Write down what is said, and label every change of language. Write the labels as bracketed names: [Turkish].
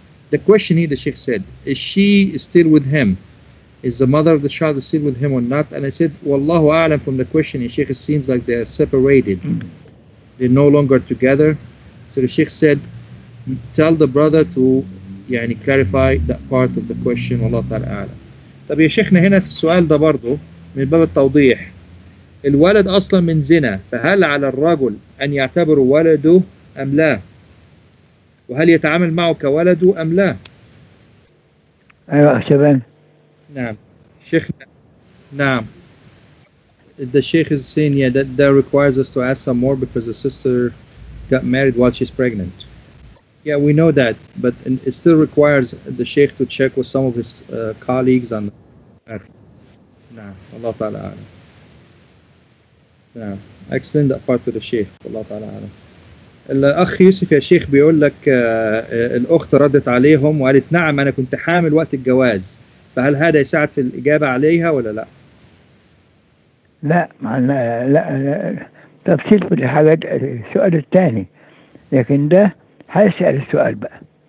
[English] The question here, the Sheikh said, is she still with him? Is the mother of the child still with him or not? And I said, Wallahu A'lam, from the question, the Sheikh, it seems like they are separated. They're no longer together. So the Sheikh said, tell the brother to يعني, clarify that part of the question, Wallahu Ta'ala A'lam. [Arabic] طب يا شيخنا هنا في السؤال ده برضو من باب التوضيح. الولد أصلا من زنا، فهل على الرجل أن يعتبر ولده أم لا؟ وهل يتعامل معه كولده أم لا؟ أيوه شبان. نعم شيخنا. نعم. [English] The Sheikh is saying yeah, that requires us to ask some more because the sister got married while she's pregnant. Yeah, we know that, but it still requires the Sheikh to check with some of his colleagues on that. Nah, Allah Ta'ala A'lam. Nah, I explained that part to the Sheikh, Allah Ta'ala A'lam. [Arabic] الأخ يوسف يا شيخ بيقول لك الأخت ردت عليهم وقالت نعم أنا كنت حامل وقت الجواز، فهل هذا يساعد في الإجابة عليها ولا لا؟ لا معنى لا تفصيل في الحاجات السؤال الثاني، لكن ده هيسأل السؤال بقى.